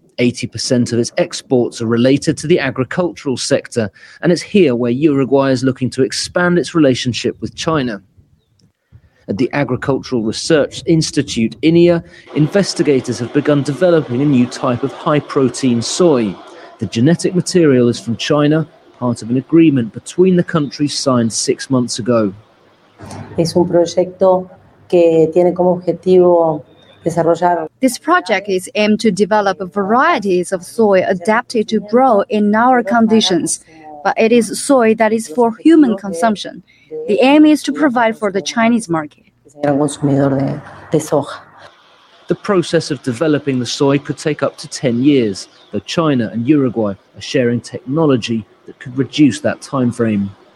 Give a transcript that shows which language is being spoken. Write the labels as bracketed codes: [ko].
[en] 80% of its exports are related to the agricultural sector, and it's here where Uruguay is looking to expand its relationship with China. At the Agricultural Research Institute, INEA, investigators have begun developing a new type of high-protein soy. The genetic material is from China, part of an agreement between the countries signed 6 months ago. [es] Es un proyecto que tiene como objetivo desarrollar. [en] This project is aimed to develop varieties of soy adapted to grow in our conditions, but it is soy that is for human consumption. The aim is to provide for the Chinese market. The process of developing the soy could take up to 10 years, though China and Uruguay are sharing technology that could reduce that time frame.